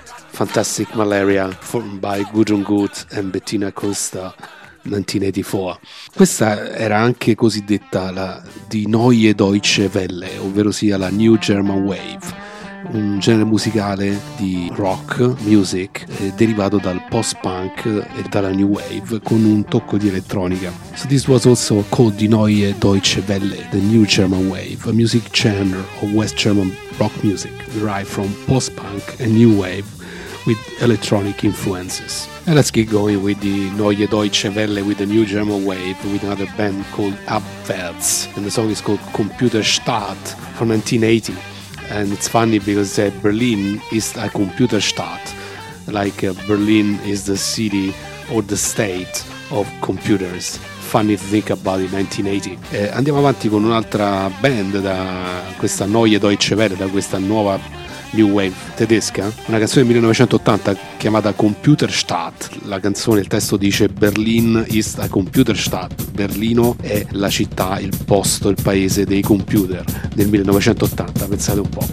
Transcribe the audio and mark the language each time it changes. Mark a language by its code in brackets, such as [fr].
[en] Fantastic Malaria, formed by Gudrun Gut and Bettina Acosta, 1984. [it] Questa era anche cosiddetta la Die Neue Deutsche Welle, ovvero sia la New German Wave, un genere musicale di rock music derivato dal post-punk e dalla new wave con un tocco di elettronica. [en] So this was also called Die Neue Deutsche Welle, the New German Wave, a music genre of West German rock music derived from post-punk and new wave with electronic influences. And let's get going with the Neue Deutsche Welle with the New German Wave with another band called Abwärts, and the song is called Computerstaat from 1980. And it's funny because Berlin is a computer state, like Berlin is the city or the state of Computers. Funny to think about it, 1980. [it] Andiamo avanti con un'altra band da questa Neue Deutsche Welle, da questa nuova New Wave tedesca, una canzone del 1980 chiamata Computerstadt. La canzone, il testo dice: [de] Berlin ist a Computerstadt. [it] Berlino è la città, il posto, il paese dei computer, nel 1980, pensate un po'.